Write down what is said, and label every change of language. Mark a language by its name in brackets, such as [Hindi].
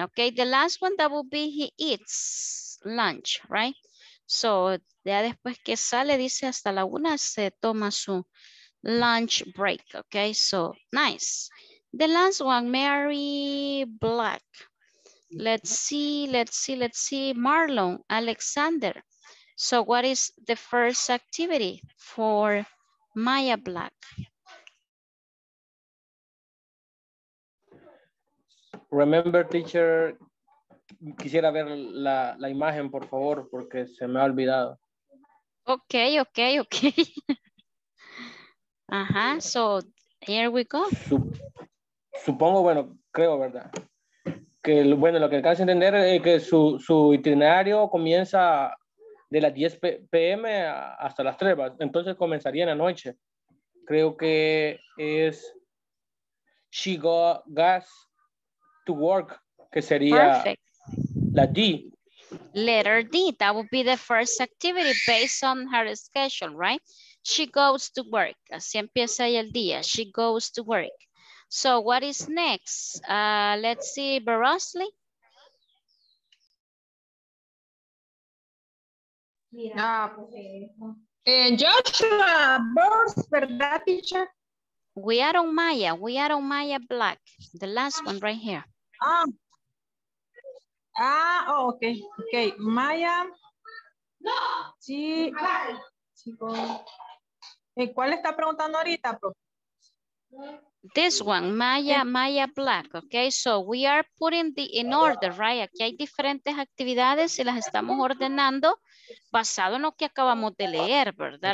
[English] Okay, the last one that will be he eats lunch, right? [Spanish] So, ya después que sale, dice hasta la una, se toma su lunch break. [English] Okay, so nice. The last one, Mary Black. Let's see. Marlon, Alexander. So, what is the first activity for Maya Black? Remember, teacher, [Spanish] quisiera ver la, la imagen, por favor, porque se me ha olvidado. [English] Okay, okay, okay. Ajá, so here we go. [Spanish] Supongo, bueno, creo, ¿verdad? Que, bueno, lo que alcanza a entender es que su itinerario comienza de las 10 p.m. hasta las 3, ¿verdad? Entonces comenzaría en la noche. Creo que es [English] she got gas to work, [Spanish] que sería la D. [English] Letter D, that would be the first activity based on her schedule, right? She goes to work. [Spanish] Así empieza el día. [English] She goes to work. So what is next? Let's see, Barosley. [Spanish] Joshua Burst, ¿verdad, teacher? [English] We are on Maya. We are on Maya Black. The last one right here. Okay. Maya. No. [Spanish] Sí. ¿Cuál está preguntando ahorita, profe? [English] This one, Maya, okay. Maya Black. Okay, so we are putting the in order, right? [Spanish] Aquí hay diferentes actividades y las estamos ordenando basado en lo que acabamos de leer, ¿verdad?